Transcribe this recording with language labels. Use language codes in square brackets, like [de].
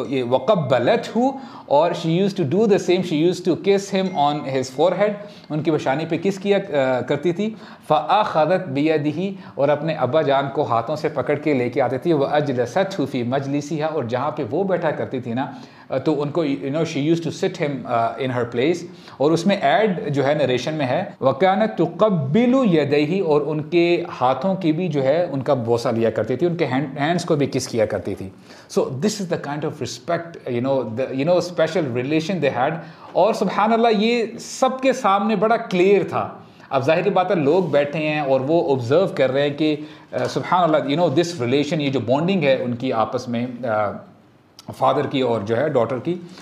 [ar] وقبلت ہو، [ur] اور [en] she used to do the same, she used to kiss him on his forehead, [ur] ان کی پیشانی پہ کس کیا کرتی تھی، [ar] فَأَخَذَتْ بِيَدِهِ، [ur] اور اپنے ابا جان کو ہاتھوں سے پکڑ کے لے کے آتی تھی، [ar] وَأَجْلَسَتْ ہُ فِي مَجْلِسِهَا، [ur] اور جہاں پہ وہ بیٹھا کرتی تھی نا تو ان کو [en] You know she used to sit him in her place. [ur] اور اس میں ایڈ جو ہے نریشن میں ہے، [ar] وَكَانَتْ تُقَبِّلُ يَدَيْهِ، [ur] اور ان کے ہاتھوں کی بھی جو ہے ان کا بوسہ لیا کرتی تھی، ان کے ہینڈس کو بھی کس کیا کرتی تھی. [en] So this is the kind of respect you know special relation they had. [ur] اور سبحان اللہ، یہ سب کے سامنے بڑا کلیئر تھا. اب ظاہر بات ہے لوگ بیٹھے ہیں اور وہ آبزرو کر رہے ہیں کہ سبحان اللہ [en] you know this relation, [ur] یہ جو بانڈنگ ہے ان کی آپس میں فادر کی اور جو ہے ڈاٹر کی.